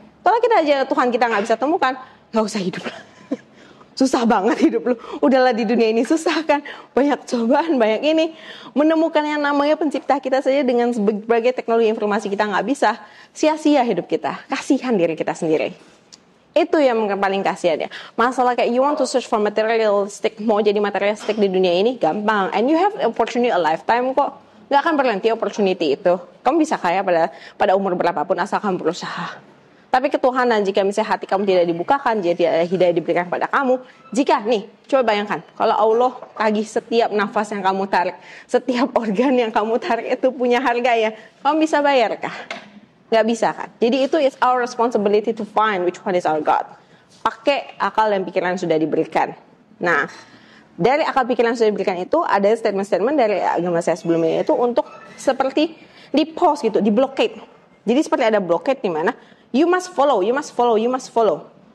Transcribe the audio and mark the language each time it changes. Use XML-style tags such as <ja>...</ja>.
<id>Kalau kita aja Tuhan kita gak bisa temukan, gak usah hidup. Susah banget hidup lu. Udahlah di dunia ini susah kan. Banyak cobaan, banyak ini. Menemukan yang namanya pencipta kita saja dengan berbagai teknologi informasi kita gak bisa. Sia-sia hidup kita. Kasihan diri kita sendiri. Itu yang paling kasihan ya. Masalah kayak</id> <en>you want to search for materialistic.</en> <id>Mau jadi materialistic di dunia ini gampang.</id> <en>And you have opportunity a lifetime</en> <id>kok. Gak akan berhenti opportunity itu. Kamu bisa kaya pada umur berapapun asal kamu berusaha. Tapi ketuhanan, jika misalnya hati kamu tidak dibukakan, jika tidak ada hidayah diberikan kepada kamu, jika, nih, coba bayangkan, kalau Allah tagih setiap nafas yang kamu tarik, setiap organ yang kamu tarik itu punya harga ya, kamu bisa bayarkah? Gak bisa kan? Jadi itu</id> <en>is our responsibility to find which one is our God.</en> <id>Pakai akal dan pikiran sudah diberikan. Nah, dari akal pikiran sudah diberikan itu, ada statement-statement dari agama saya sebelumnya itu untuk seperti di-pause gitu, di-blockade. Jadi seperti ada blockade di mana,</id> <en>you must follow, you must follow, you must follow.</en>